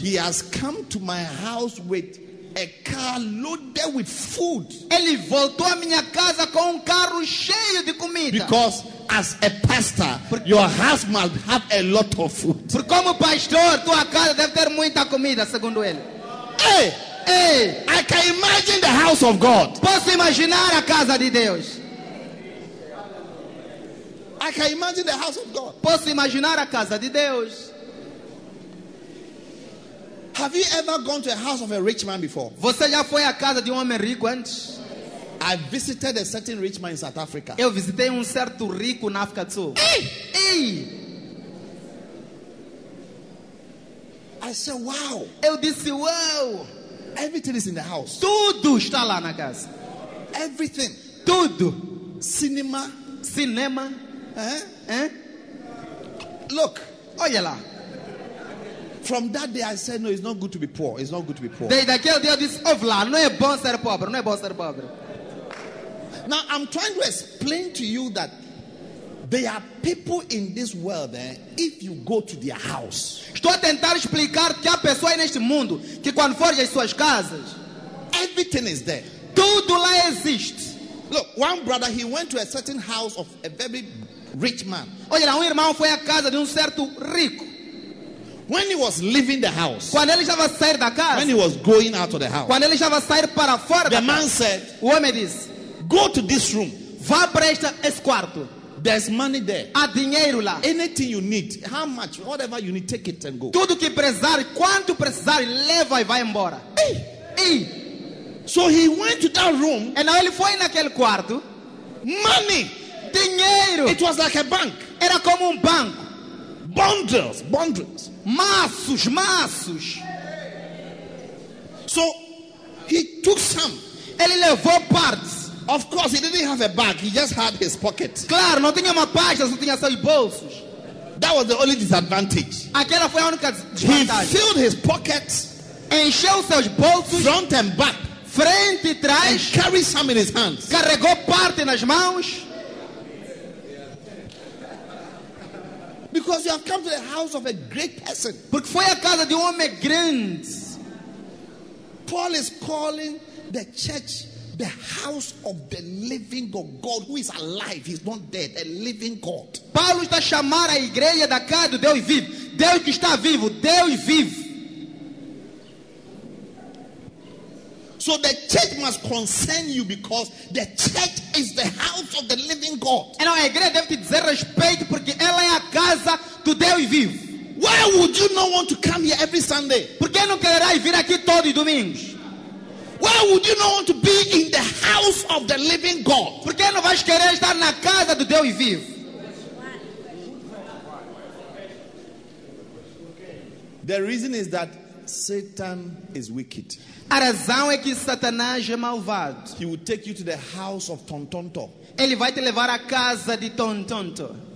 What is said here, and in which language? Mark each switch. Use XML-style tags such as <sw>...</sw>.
<en>he has come to my house with a car loaded with food.</en> <pt>Ele voltou à minha casa com carro cheio de comida.</pt> <en>Because as a pastor, porque, your house must have a lot of food.</en> <pt>Porque como pastor, tua casa deve ter muita comida, segundo ele. Hey, hey,</pt> <en>I can imagine the house of God.</en> <pt>Posso imaginar a casa de Deus.</pt> <en>I can imagine the house of God.</en> <pt>Posso imaginar a casa de Deus.</pt> <en>Have you ever gone to a house of a rich man before?</en> <pt>Você já foi à casa de um homem rico antes?</pt> <en>I visited a certain rich man in South Africa.</en> <pt>Eu visitei certo rico na África do Sul. Ei!</pt> <en>I said, wow.</en> <pt>Eu disse, wow.</pt> <en>Everything is in the house.</en> <pt>Tudo está lá na casa.</pt> <en>Everything.</en> <pt>Tudo.</pt> <en>Cinema.</en> <pt>Cinema.</pt> <en>Look.</en> <pt>Olha lá.</pt> <en>From that day, I said, no, it's not good to be poor. It's not good to be poor.</en> <pt>Daí daquele dia, eu disse, oh, lá, não é bom ser pobre. Não é bom ser pobre.</pt> <en>Now, I'm trying to explain to you that there are people in this world, if you go to their house.</en> <pt>Estou a tentar explicar que há pessoas neste mundo que quando forem às suas casas,</pt> <en>everything is there.</en> <pt>Tudo lá existe.</pt> <en>Look, one brother, he went to a certain house of a very rich man.</en> <pt>Olha, irmão foi à casa de certo rico.</pt> <en>When he was leaving the house.</en> <pt>Quando ele estava a sair da casa.</pt> <en>When he was going out of the house.</en> <pt>Quando ele estava a sair para fora.</pt> <en>The man said,</en> <pt>o homem disse,</pt> <en>go to this room.</en> <pt>Vá para este quarto.</pt> <en>There's money there.</en> <pt>Há dinheiro lá.</pt> <en>Anything you need, how much, whatever you need, take it and go.</en> <pt>Tudo que precisar, quanto precisar, leva e vai embora.</pt> <en>Hey. So he went to that room.</en> <pt>E now ele foi naquele quarto.</pt> <en>Money.</en> <pt>Dinheiro.</pt> <en>It was like a bank.</en> <pt>Era como banco.</pt> <en>Bundles, bundles.</en> <pt>Maços, maços.</pt> <en>So he took some.</en> <pt>Ele levou partes.</pt> <en>Of course, he didn't have a bag. He just had his pocket.</en> <pt>Claro, não tinha uma pasta, não tinha seus bolsos.</pt> <en>That was the only disadvantage.</en> <pt>Aquela foi a única desvantagem.</pt> <en>He filled his pockets.</en> <pt>Encheu seus bolsos.</pt> <en>Front and back.</en> <pt>Frente e trás.</pt> <en>And carried some in his hands.</en> <pt>Carregou parte nas mãos.</pt> <en>Because you have come to the house of a great person.</en> <pt>Porque foi a casa de homem grande.</pt> <en>Paul is calling the church the house of the living God. God who is alive, he's not dead, a living God.</en> <pt>Paulo está a chamar a igreja da casa do Deus vivo. Deus que está vivo, Deus vivo.</pt> <en>So the church must concern you because the church is the house of the living God.</en> <pt>E a igreja deve te dizer respeito porque ela é a casa do Deus vivo.</pt> <en>Why would you not want to come here every Sunday?</en> <pt>Por que não quererás vir aqui todos os domingos?</pt> <en>Why would you not want to be in the house of the living God?</en> <pt>Por que não vais querer estar na casa do Deus vivo?</pt> <en>The reason is that Satan is wicked.</en> <pt>A razão é que Satanás é malvado.</pt> <en>He will take you to the house of Tontonto.</en> <pt>Ele vai te levar à casa de Tontonto.</pt>